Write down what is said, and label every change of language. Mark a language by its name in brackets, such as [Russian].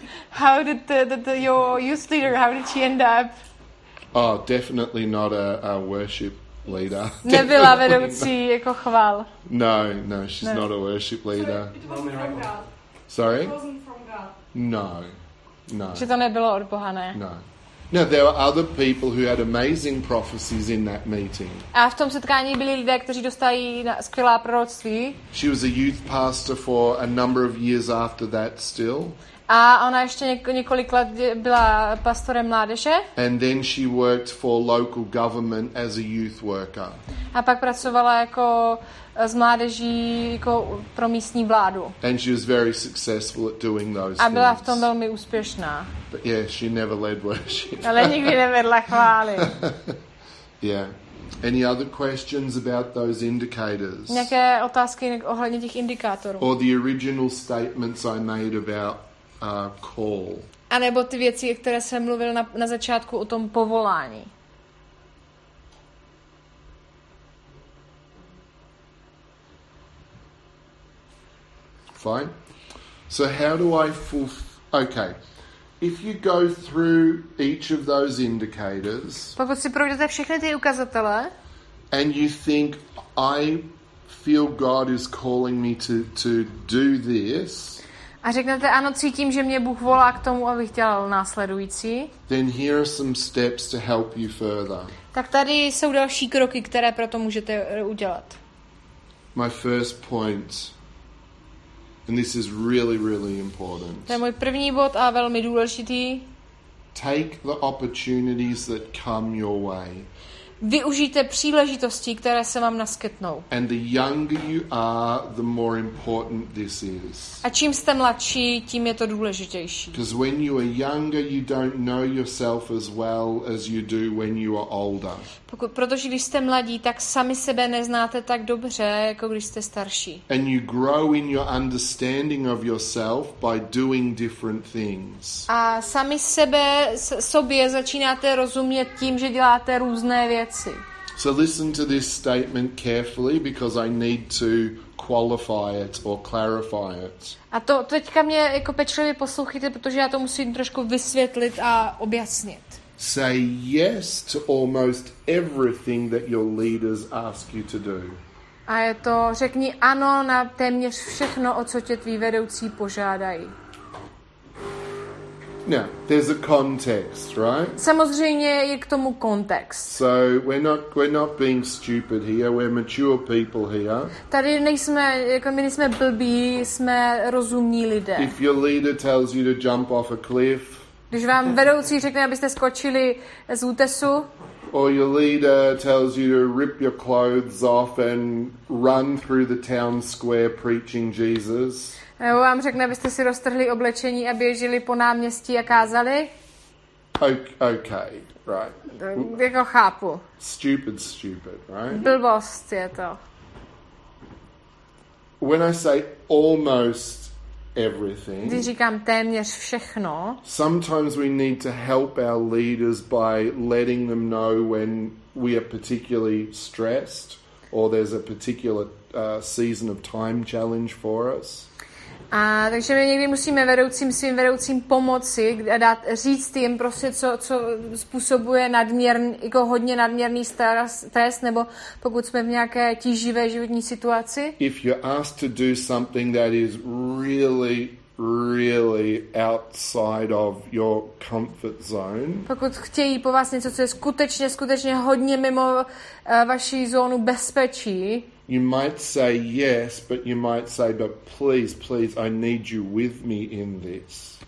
[English] How did your youth leader, how did she end up? Oh, definitely not a worship leader. [Czech] Nebyla vedoucí jako chval. [English] No, she's not a worship leader. Sorry? It wasn't from God. No. [Czech] Že to nebylo od Boha, ne? [English] No. No, there were other people who had amazing prophecies in that meeting. [Czech] A v tom setkání byli lidé, kteří dostali skvělá proroctví. [English] She was a youth pastor for a number of years after that still. [Czech] A ona ještě několik let byla pastorem mládeže. [English] And then she worked for local government as a youth worker. [Czech] A pak pracovala jako s mládeží jako pro místní vládu. [English] And she was very successful at doing those things. [Czech] A byla v tom velmi úspěšná. [English] But yeah, she never led worship. Ale nikdy nevedla chvály. Yeah. Any other questions about those indicators? [Czech] Nějaké otázky ohledně těch indikátorů? [English] Or the original statements I made about call. [Czech] A nebo ty věci, které jsem mluvil na začátku o tom povolání. [English] Fine. So how do I okay. If you go through each of those indicators. [Czech] Pokud si projdete všechny ty ukazatele. [English] And you think I feel God is calling me to do this. [Czech] A řeknete, ano, cítím, že mě Bůh volá k tomu, abych dělal následující. [English] Then here are some steps to help you further. [Czech] Tak tady jsou další kroky, které pro to můžete udělat. [English] My first point, and this is really, really important. [Czech] To je můj první bod a velmi důležitý. [English] Take the opportunities that come your way. [Czech] Využijte příležitosti, které se vám naskytnou. [English] And the younger you are, the more important this is. [Czech] A čím jste mladší, tím je to důležitější. [English] Because when you are younger, you don't know yourself as well as you do when you are older. [Czech] Protože když jste mladí, tak sami sebe neznáte tak dobře, jako když jste starší. [English] And you grow in your understanding of yourself by doing different things. [Czech] A sami sobě začínáte rozumět tím, že děláte různé věci. [English] So listen to this statement carefully because I need to qualify it or clarify it. [Czech] A to teďka mě jako pečlivě poslouchejte, protože já to musím trošku vysvětlit a objasnit. [English] Say yes to almost everything that your leaders ask you to do. [Czech] A je to řekni ano na téměř všechno, o co tě tví vedoucí požádají. [English] Now, there's a context, right? [Czech] Samozřejmě je k tomu kontext. [English] So we're not being stupid here. We're mature people here. [Czech] Tady nejsme, jako my nejsme blbí, jsme rozumní lidé. [English] If your leader tells you to jump off a cliff, [Czech] Když vám vedoucí řekne, abyste skočili z útesu. [English] Or your leader tells you to rip your clothes off and run through the town square preaching Jesus. [Czech] Nebo vám řekne, abyste si roztrhli oblečení a běželi po náměstí a kázali. [English] Okay, right. [Czech] Jako chápu. [English] Stupid, right? [Czech] Blbost je to. [English] When I say almost everything. [Czech] Když říkám téměř všechno. [English] Sometimes we need to help our leaders by letting them know when we are particularly stressed or there's a particular season of time challenge for us. [Czech] A takže my někdy musíme svým vedoucím pomoci a dát říct jim prostě, co způsobuje hodně nadměrný stres, nebo pokud jsme v nějaké tíživé životní situaci. [English] If you're asked to do something that is really, really outside of your comfort zone. [Czech] Pokud chtějí po vás něco, co je skutečně hodně mimo vaši zónu bezpečí. [English] You might say yes, but you might say, but please, I need you with me in this.